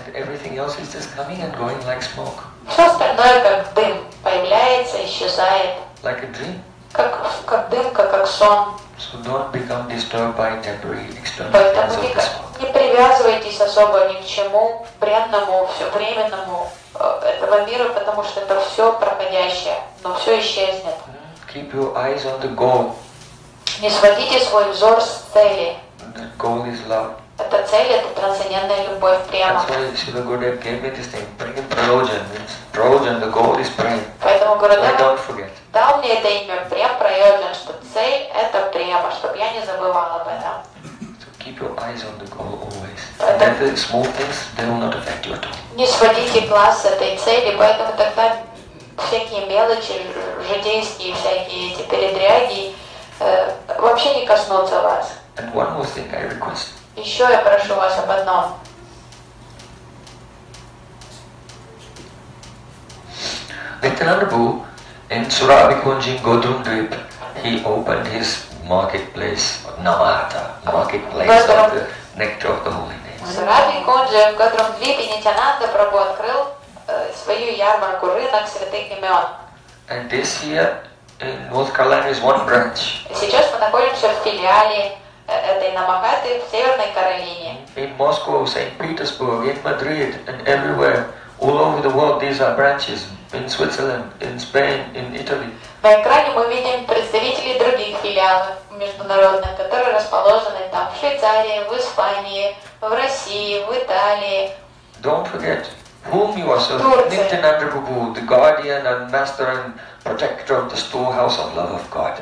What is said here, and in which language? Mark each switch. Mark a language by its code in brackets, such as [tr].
[en] And everything else is just coming and going like smoke. [ru] Все остальное как дым, появляется, исчезает. [en] Like a dream. [ru] Как дымка, как сон. [en] So don't become disturbed by temporary external [ru] Поэтому не привязывайтесь особо ни к чему бренному, все временному этого мира, потому что это все проходящее, но все исчезнет. [en] Keep your eyes on the goal. [ru] Не сводите свой взор с цели. [en] The goal is love. [ru] Это цель, это трансцендентная любовь прямо. [en] That's why Shiva Gurudev gave me this name, Prem, Prayojan. Prayojan, the goal is Prem. [ru] Поэтому Гурудев [en] don't forget. [ru] Дал мне это имя Прем, Прайоджан, что цель это Према, чтобы я не забывал об этом. [en] So keep your eyes on the goal always. [ru] Поэтому, [en] and the small things, they will not affect you at all. [ru] Не сводите глаз с этой цели, поэтому тогда всякие мелочи, житейские всякие эти передряги вообще не коснутся вас. [en] And one more thing I request. [ru] Еще я прошу вас об одном. [en] Нитянандабу in Suravikunji Godundvip, he opened his marketplace, Namata, marketplace of the nectar of the holy names. [ru] Suravikunji in Godundvip, Nityananda Prabhu открыл свою ярмарку, рынок святых имен. [en] And this here in North Carolina is one branch. [ru] Сейчас мы находимся в филиале этой Намахаты в Северной Каролине. [en] In Moscow, St. Petersburg, in Madrid, and everywhere, all over the world, these are branches. In Switzerland, in Spain, in Italy. [ru] На экране мы видим представителей других филиалов международных, которые расположены там в Швейцарии, в Испании, в России, в Италии. [en] Don't forget whom you are serving. Nityananda Prabhu, the guardian and master and protector of the storehouse of love of God.